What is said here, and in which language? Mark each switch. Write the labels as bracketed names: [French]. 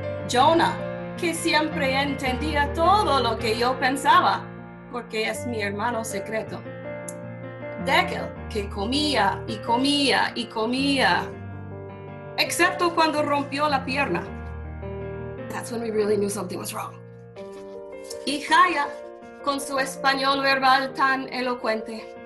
[Spanish] Jonah, que siempre entendía todo lo que yo pensaba, porque es mi hermano secreto. Dekel, que comía y comía y comía, excepto cuando rompió la pierna. [English] That's when we really knew something was wrong. [Spanish] Y Jaya, con su español verbal tan elocuente.